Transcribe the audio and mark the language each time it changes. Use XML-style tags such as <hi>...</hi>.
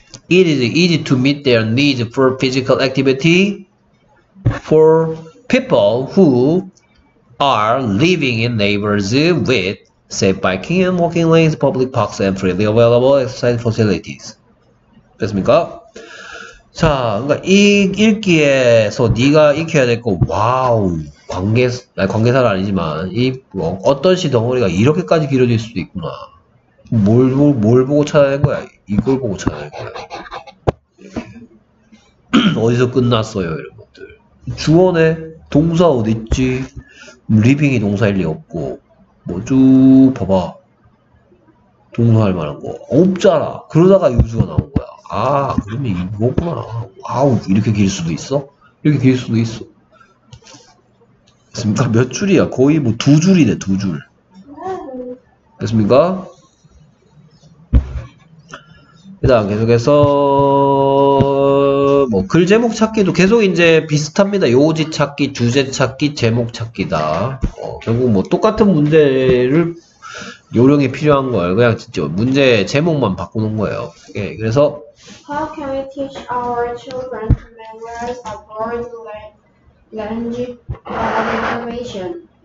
<en>It is easy to meet their need for physical activity for people who are living in neighbors with safe biking and walking lanes, public parks, and freely available exercise facilities.</en> <ko>됐습니까? 자, 그러니까 이 읽기에서 네가 익혀야 될 거, 와우, 관계사는 아니지만, 어떤 시 덩어리가 이렇게까지 길어질 수도 있구나. 뭘 보고 찾아낸 거야? 이걸 보고 찾아낸 거야. 어디서 끝났어요 이런 것들. 주어네 동사 어딨지? living이 동사일 리 없고 뭐 쭉 봐봐 동사할 만한 거 없잖아. 그러다가 유수가 나온 거야. 아 그러면 이거구나. 와우 이렇게 길 수도 있어? 이렇게 길 수도 있어. 됐습니까? 몇 줄이야? 거의 뭐 두 줄이네 두 줄. 됐습니까? 일단 계속해서 뭐 글 제목 찾기도 계속 이제 비슷합니다. 요지 찾기, 주제 찾기, 제목 찾기다. 결국 뭐 똑같은 문제를 요령이 필요한 걸 그냥 진짜 문제 제목만 바꾸는 거예요. 예, 그래서</ko> <en>How can we teach our children to memorize a broad range of information?</en>